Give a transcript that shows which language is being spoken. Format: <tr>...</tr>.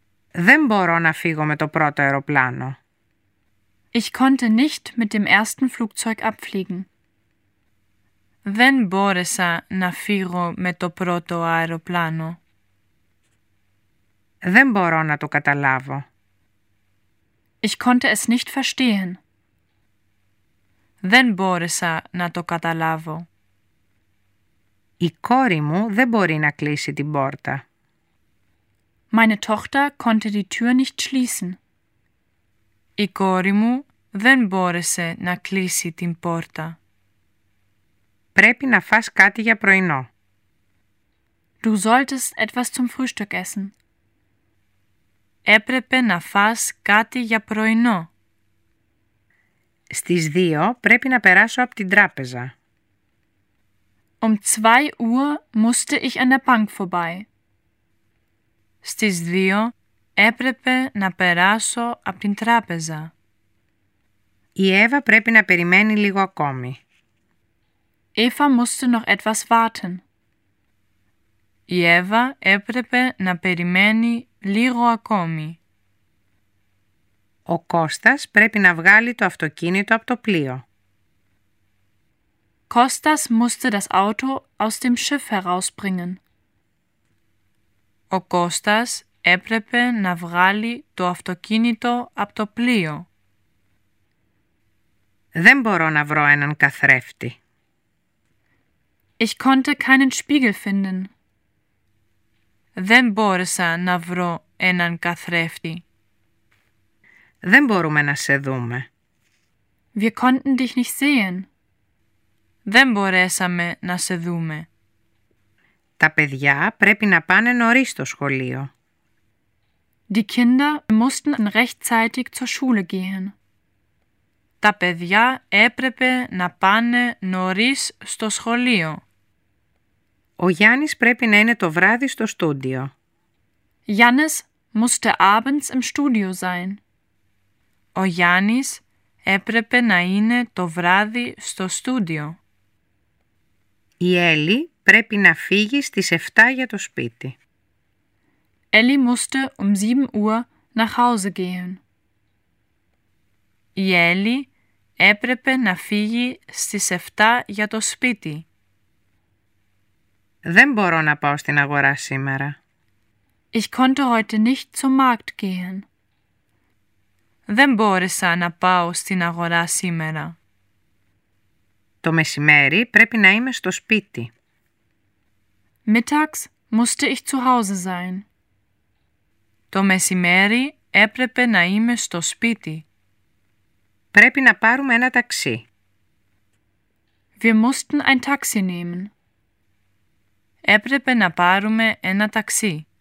<el>Δεν μπορώ να φύγω με το πρώτο αεροπλάνο.</el> <de>Ich konnte nicht mit dem ersten Flugzeug abfliegen.</de> <el>Δεν μπόρεσα να φύγω με το πρώτο αεροπλάνο. Δεν μπορώ να το καταλάβω.</el> <de>Ich konnte es nicht verstehen.</de> <el>Δεν μπόρεσα να το καταλάβω. Η κόρη μου δεν μπορεί να κλείσει την πόρτα.</el> <de>Meine Tochter konnte die Tür nicht schließen.</de> <el>Η κόρη μου δεν μπόρεσε να κλείσει την πόρτα. Πρέπει να φας κάτι για πρωινό.</el> <de>Du solltest etwas zum Frühstück essen.</de> <el>Έπρεπε να φας κάτι για πρωινό. Στις 2 πρέπει να περάσω από την τράπεζα.</el> <de>Um 2 Uhr musste ich an der Bank vorbei.</de> <el>Στις 2 έπρεπε να περάσω από την τράπεζα. Η Εύα πρέπει να περιμένει λίγο ακόμη.</el> <de>Eva musste noch etwas warten.</de> <el>Η Εύα έπρεπε να περιμένει λίγο ακόμη. Ο Κώστας πρέπει να βγάλει το αυτοκίνητο από το πλοίο.</el> <de>Kostas musste das Auto aus dem Schiff herausbringen.</de> <el>Ο Κώστας έπρεπε να βγάλει το αυτοκίνητο από το πλοίο. Δεν μπορώ να βρω έναν καθρέφτη.</el> <de>Ich konnte keinen Spiegel finden.</de> <el>Δεν μπόρεσα να βρω έναν καθρέφτη. Δεν μπορούμε να σε δούμε.</el> <de>Wir konnten dich nicht sehen.</de> <el>Δεν μπορέσαμε να σε δούμε. Τα παιδιά πρέπει να πάνε νωρίς στο σχολείο.</el> <de>Die Kinder mussten rechtzeitig zur Schule gehen.</de> <el>Τα παιδιά έπρεπε να πάνε νωρίς στο σχολείο. Ο Γιάννης πρέπει να είναι το βράδυ στο στούντιο.</el> <de>Γιάννης musste abends im Studio sein.</de> <el>Ο Γιάννης έπρεπε να είναι το βράδυ στο στούντιο. Η Έλλη πρέπει να φύγει στις 7 για το σπίτι.</el> <de>Έλλη musste um 7 Uhr nach Hause gehen.</de> <el>Η Έλλη έπρεπε να φύγει στις 7 για το σπίτι. Δεν μπορώ να πάω στην αγορά σήμερα.</el> <de>Ich konnte heute nicht zum Markt gehen.</de> <el>Δεν μπόρεσα να πάω στην αγορά σήμερα. Το μεσημέρι πρέπει να είμαι στο σπίτι.</el> <de>Mittags musste ich zu Hause sein.</de> <el>Το μεσημέρι έπρεπε να είμαι στο σπίτι. Πρέπει να πάρουμε ένα ταξί.</el> <de>Wir mussten ein Taxi nehmen.</de> <el>Έπρεπε να πάρουμε ένα ταξί.</el>